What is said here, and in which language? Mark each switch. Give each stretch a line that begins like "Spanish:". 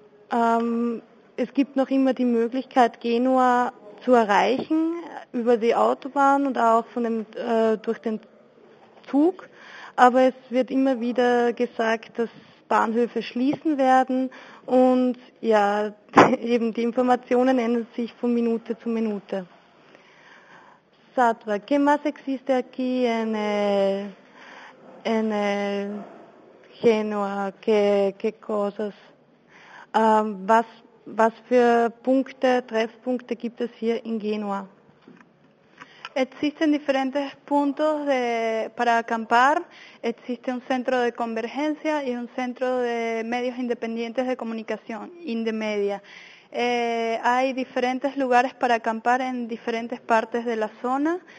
German: Es gibt noch immer die Möglichkeit, Genua zu erreichen über die Autobahn und auch durch den Zug. Aber es wird immer wieder gesagt, dass Bahnhöfe schließen werden und ja, eben die Informationen ändern sich von Minute zu Minute.
Spanish: Satra, ¿qué más existe aquí en Genua? ¿Qué cosas?
German: Was für Punkte, Treffpunkte gibt es hier in Genua?
Spanish: Existen diferentes puntos para acampar. Existe un centro de convergencia y un centro de medios independientes de comunicación, Indymedia. Hay diferentes lugares para acampar en diferentes partes de la zona.